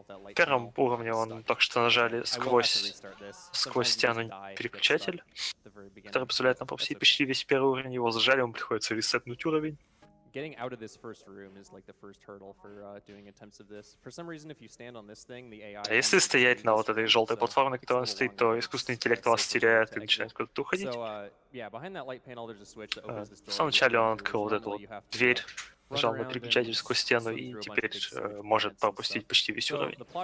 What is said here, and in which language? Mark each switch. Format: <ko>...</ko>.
<ru>В первом уровне он только что нажали сквозь стену переключатель, который позволяет нам повсей почти весь первый уровень, его зажали, ему приходится ресетнуть уровень.</ru> <en>Getting out of this first room is like the first hurdle for doing attempts of this. For some reason, if you stand on this thing, the AI...</en> <ru>А если стоять на вот этой желтой платформе, на которой он стоит, то искусственный интеллект вас теряет и начинает куда-то уходить. В самом начале он открыл вот эту дверь, нажал на переключатель сквозь стену и теперь может пропустить почти весь уровень.</ru>